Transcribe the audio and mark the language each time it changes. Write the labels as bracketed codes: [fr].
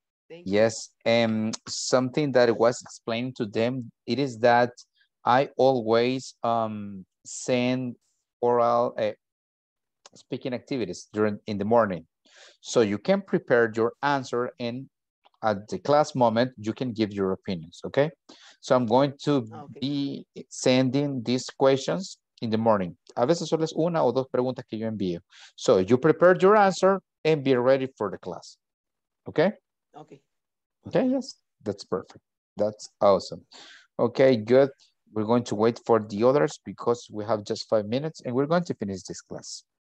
[en] Yes, and something that was explained to them, it is that I always send oral speaking activities during in the morning. So you can prepare your answer and at the class moment, you can give your opinions, okay? So I'm going to be sending these questions in the morning. [es] A veces solo es una o dos preguntas que yo envío. [en] So you prepare your answer and be ready for the class, okay? Okay. Okay, yes, that's perfect. That's awesome. Okay, good. We're going to wait for the others because we have just 5 minutes and we're going to finish this class.